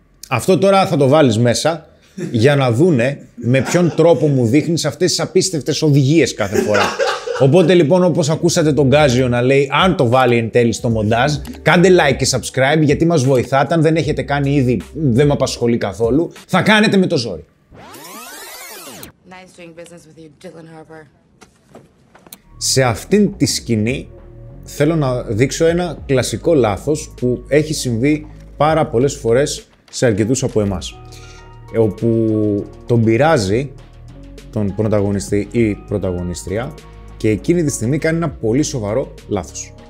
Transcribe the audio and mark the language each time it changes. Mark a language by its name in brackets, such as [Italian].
[Greek] Αυτό τώρα θα το βάλεις μέσα για να δούνε με ποιον τρόπο μου δείχνεις αυτές τις απίστευτες οδηγίες κάθε φορά. Οπότε λοιπόν, όπως ακούσατε τον Γκάζιο να λέει, αν το βάλει εν τέλει στο μοντάζ, κάντε like και subscribe γιατί μας βοηθάτε. Αν δεν έχετε κάνει ήδη, δεν με απασχολεί καθόλου. Θα κάνετε με το ζόρι. [English] Nice doing business with you, Dylan Harper. [Greek] Σε αυτήν τη σκηνή θέλω να δείξω ένα κλασικό λάθος που έχει συμβεί πάρα πολλές φορές σε αρκετούς από εμάς. Όπου τον πειράζει τον πρωταγωνιστή ή πρωταγωνίστρια και εκείνη τη στιγμή κάνει ένα πολύ σοβαρό λάθος.